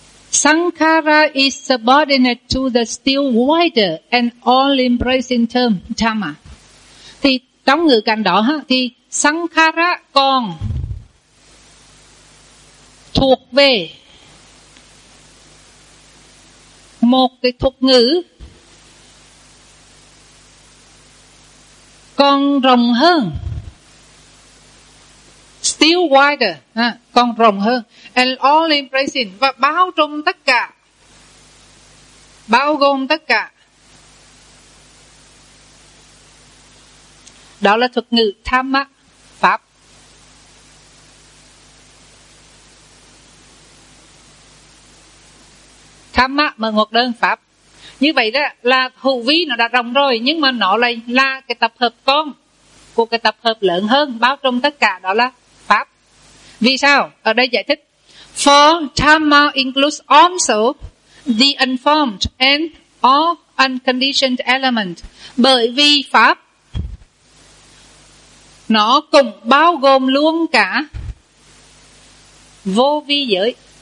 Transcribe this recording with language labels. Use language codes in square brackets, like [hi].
[en] Sankhara is subordinate to the still wider and all embracing term dhamma. [vi] Thì trong ngữ cảnh đó thì Sankhara còn thuộc về một cái thuật ngữ còn rộng hơn, [en] still wider, [vi] còn rộng hơn, [en] and all embracing, [vi] và bao trùm tất cả, bao gồm tất cả. Đó là thuật ngữ dhamma, pháp. Dhamma mở ngoặc đơn pháp. Như vậy đó là hữu vi nó đã rộng rồi, nhưng mà nó lại là cái tập hợp con của cái tập hợp lớn hơn, bao trùm tất cả, đó là pháp. Vì sao? Ở đây giải thích. [en] For dhamma includes also the unformed and all unconditioned element. [vi] Bởi vì pháp nó cũng bao gồm luôn cả vô vi giới.